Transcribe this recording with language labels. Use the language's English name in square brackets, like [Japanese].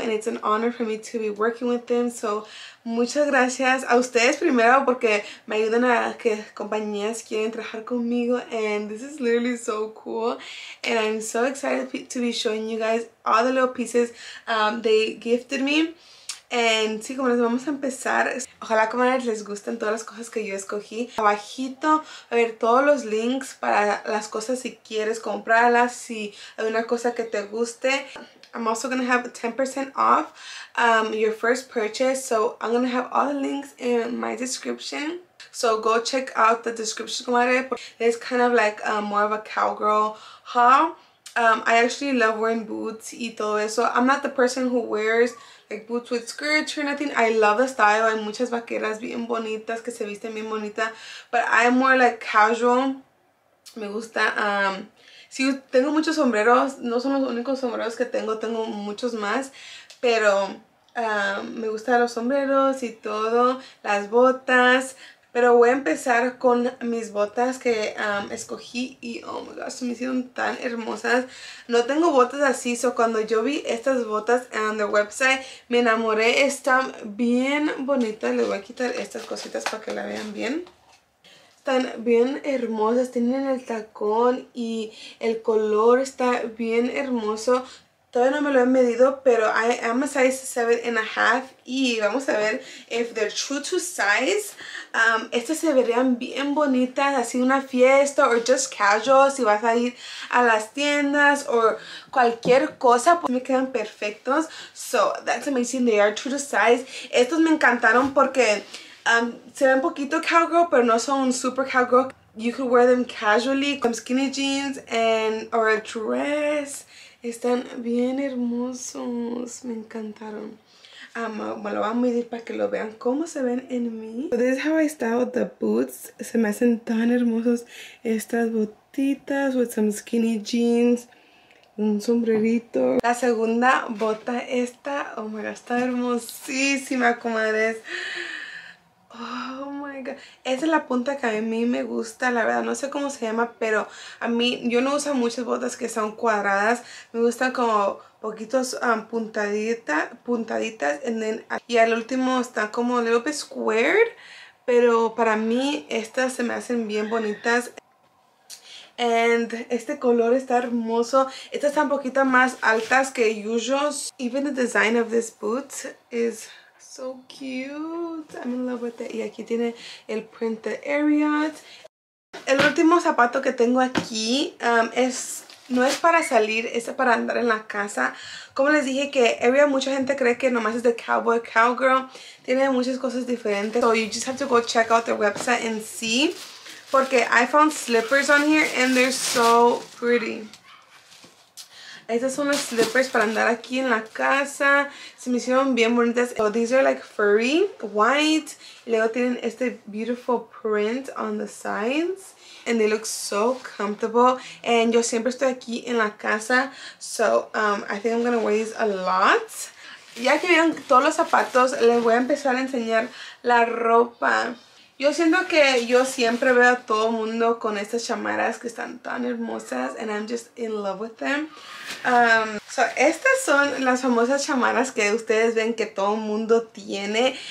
[English] And it's an honor for me to be working with them. [Spanish] So, muchas gracias a ustedes primero porque me ayudan a que compañías quieran trabajar conmigo. [English] And this is literally so cool. And I'm so excited to be showing you guys all the little pieces they gifted me. [Spanish] And sí, comadres, vamos a empezar. Ojalá, comadres, les gusten todas las cosas que yo escogí. Abajito va a haber todos los links para las cosas si quieres comprarlas, si hay una cosa que te guste. [English] I'm also going to have 10% off your first purchase. So I'm going to have all the links in my description. So go check out the description, comadres. It's kind of like more of a cowgirl haul. I actually love wearing boots [Spanish] y todo eso. [English] I'm not the person who wears like boots with skirts or nothing. I love the style. [Spanish] Hay muchas vaqueras bien bonitas que se visten bien bonita. [English] But I'm more like casual. [Spanish] Me gusta. Sí, tengo muchos sombreros. No son los únicos sombreros que tengo. Tengo muchos más. Pero me gustan los sombreros y todo. Las botas. Pero voy a empezar con mis botas que escogí y [English] oh my gosh, [Spanish] me hicieron tan hermosas. No tengo botas así, so cuando yo vi estas botas en el website, me enamoré. Están bien bonitas. Les voy a quitar estas cositas para que la vean bien. Están bien hermosas. Tienen el tacón y el color está bien hermoso. Todavía no me lo he medido, pero [English] I am a size 7.5 [Spanish] y vamos a ver [English] if they're true to size. [Spanish] Estas se verían bien bonitas, así una fiesta o [English] just casual, [Spanish] si vas a ir a las tiendas o cualquier cosa, pues me quedan perfectos. [English] So, that's amazing, they are true to size. [Spanish] Estos me encantaron porque se ven poquito cowgirl, pero no son super cowgirl. [English] You could wear them casually, con skinny jeans and or a dress. [Spanish] Están bien hermosos, me encantaron. Me lo voy a medir para que lo vean cómo se ven en mí. [English] So this is how I styled the boots. [Spanish] Se me hacen tan hermosos estas botitas [English] with some skinny jeans, [Spanish] un sombrerito. La segunda bota esta, [English] oh my god, [Spanish] está hermosísima, comadres. [English] Oh my god, [Spanish] esa es la punta que a mí me gusta, la verdad, no sé cómo se llama, pero a mí, yo no uso muchas botas que son cuadradas, me gustan como poquitos puntaditas, y al último están como un [English] little bit squared, [Spanish] pero para mí estas se me hacen bien bonitas. And este color está hermoso. Estas están un poquito más altas que usual. [English] Even the design of this boot is so cute. I'm in love with it. [Spanish] Y aquí tiene el print de Ariat. El último zapato que tengo aquí no es para salir, es para andar en la casa. Como les dije que Area, mucha gente cree que nomás es de cowboy, cowgirl. Tiene muchas cosas diferentes. [English] So you just have to go check out their website and see. Porque I found slippers on here and they're so pretty. [Spanish] Estas son las slippers para andar aquí en la casa. Se me hicieron bien bonitas. [English] So these are like furry, white. [Spanish] Y luego tienen este [English] beautiful print on the sides. And they look so comfortable. And [Spanish] yo siempre estoy aquí en la casa. [English] So I think I'm going to wear these a lot. [Spanish] Ya que vieron todos los zapatos, les voy a empezar a enseñar la ropa. Yo siento que yo siempre veo a todo el mundo con estas chamarras que están tan hermosas. [English] And I'm just in love with them. [Spanish] So estas son las famosas chamarras que ustedes ven que todo el mundo tiene.